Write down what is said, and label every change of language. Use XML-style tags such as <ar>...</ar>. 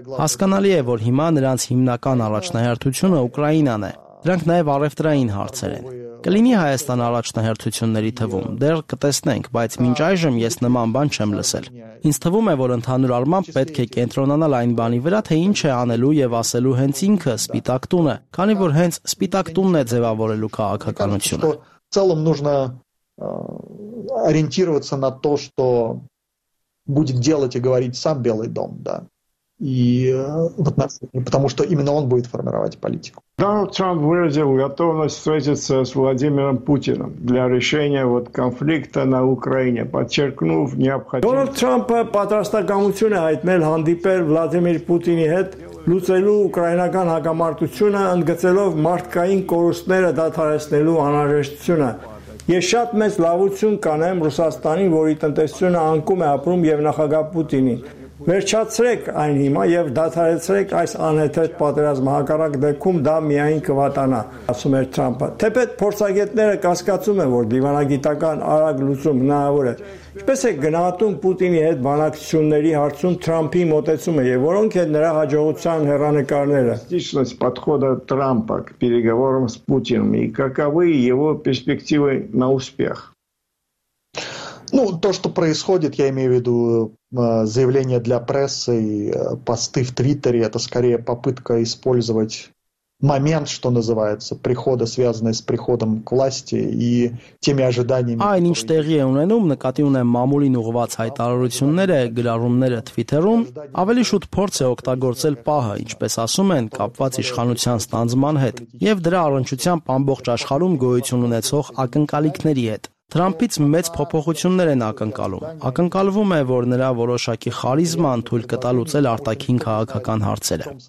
<hy>Հասկանալի է, որ հիմա նրանց հիմնական առաջնահերթությունը Ուկրաինան է։ Դրանք նաև առևտրային հարցեր են։ Կլինի Հայաստան առաջնահերթությունների թվում, դեռ կտեսնենք, բայց մինչ այժմ ես նման բան չեմ լսել։ Ինձ թվում է, որ ընդհանուր առմամբ պետք է կենտրոնանալ այն բանի վրա, թե ինչ է անելու եւ ասելու հենց ինքը Սպիտակ տունը, քանի որ հենց Սպիտակ տունն է ձևավորելու քաղաքականությունը։</hy> <ru>В целом нужно ориентироваться на то, что будет делать и говорить сам Белый дом, да. И вот потому что именно он будет формировать политику. Дональд Трамп выразил готовность встретиться с Владимиром Путиным для решения вот конфликта на Украине, подчеркнув необходимость.</ru> <hy>Дональд Трамп պատրաստակամություն է հայտնել հանդիպել Վլադիմիր Պուտինի հետ, լուծելու ուկրաինական հակամարտությունը, ընդգծելով մարդկային կորուստները դադարեցնելու անհրաժեշտությունը։ Ես շատ մեծ լավություն կանեմ Ռուսաստանին, որի տնտեսությունը անկում է ապրում, եւ նախագահ Պուտինին։ վերջացրեք այն հիմա եւ դադարեցրեք այս անհեթեթ պատերազմ հակառակ դեպքում դա միայն կվատանա, ասում էր Թրամփը։ Թեպետ փորձագետները կասկածում են, որ դիվանագիտական արագ լուծում հնարավոր է։ Ինչպես է գնահատում Պուտինի հետ բանակցությունների հարցում Թրամփի մոտեցումը եւ որոնք են նրա հաջողության հեռանկարները։ Ճիշտ է</hy> <ru>подхода Թրամփа к переговорам с Путиным и каковы его перспективы на успех. Ну, то, что происходит, я имею в виду заявления для прессы, посты в Твиттере, это скорее попытка использовать момент, что называется, прихода, связанный с приходом к власти и теми ожиданиями.</ru> <hy>Այն ինչ տեղի է ունենում, նկատի ունեմ մամուլին ուղված հայտարարությունները, գրառումները Twitter-ում, ավելի շուտ փորձ է օգտագործել պահը, ինչպես ասում են, կապված իշխանության ստանձման հետ եւ դրա առնչությամբ ամբողջ աշխարհում գոյություն ունեցող ակնկալիքների հետ։ Թրամփից մեծ փոփոխություններ են ակնկալում։ Ակնկալվում է, որ նրա որոշակի խարիզման թույլ կտա լուծել արտաքին քաղաքական հարցերը։</hy>